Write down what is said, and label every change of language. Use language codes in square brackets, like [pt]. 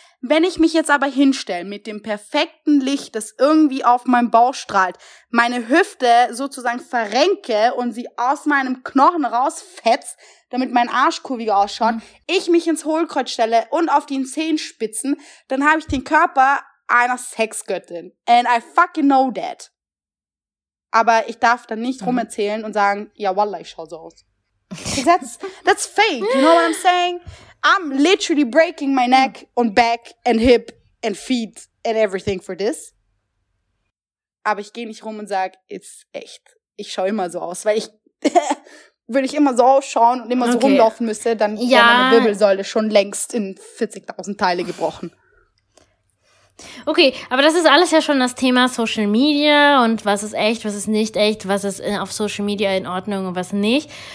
[de] Wenn ich mich jetzt aber hinstelle mit dem perfekten Licht, das irgendwie auf meinen Bauch strahlt, meine Hüfte sozusagen verrenke und sie aus meinem Knochen rausfetzt, damit mein Arsch kurviger ausschaut, ich mich ins Hohlkreuz stelle und auf den Zehenspitzen, dann habe ich den Körper einer Sexgöttin. [en] And I fucking know that. [de] Aber ich darf dann nicht rumerzählen und sagen, ja, wallah, ich schaue so aus. [en] That's fake, you know what I'm saying? I'm literally breaking my neck and back and hip and feet and everything for this. [de] Aber ich gehe nicht rum und sage, it's echt. Ich schaue immer so aus, weil ich würde ich immer so ausschauen und immer so rumlaufen müsste, dann wäre meine Wirbelsäule schon längst in 40.000 Teile gebrochen. Okay, aber das ist alles ja schon das Thema Social Media und was ist echt, was ist nicht echt, was ist auf Social Media in Ordnung und was nicht.